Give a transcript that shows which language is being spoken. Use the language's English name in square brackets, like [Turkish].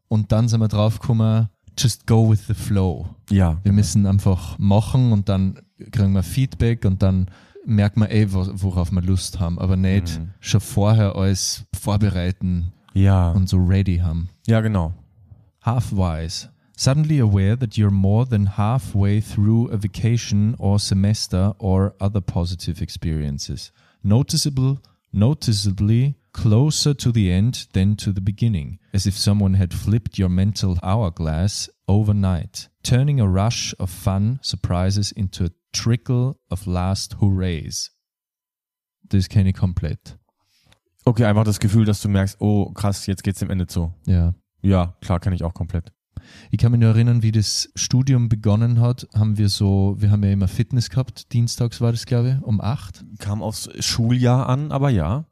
[German] Und dann sind wir draufgekommen, [English] just go with the flow. [German] Ja. Wir müssen einfach machen und dann kriegen wir Feedback und dann merkt man eh, worauf wir Lust haben, aber nicht schon vorher alles vorbereiten und so ready haben. Ja, genau. [English] Half-wise. Suddenly aware that you're more than halfway through a vacation or semester or other positive experiences. Noticeably closer to the end than to the beginning, as if someone had flipped your mental hourglass overnight, turning a rush of fun surprises into a trickle of last hoorays. [German] Das kenne ich komplett. Okay, einfach das Gefühl, dass du merkst, oh krass, jetzt geht's dem Ende zu. Ja. Ja, klar, kenne ich auch komplett. Ich kann mich nur erinnern, wie das Studium begonnen hat, wir haben ja immer Fitness gehabt, dienstags war das, glaube ich, um 8. Kam aufs Schuljahr an, aber ja.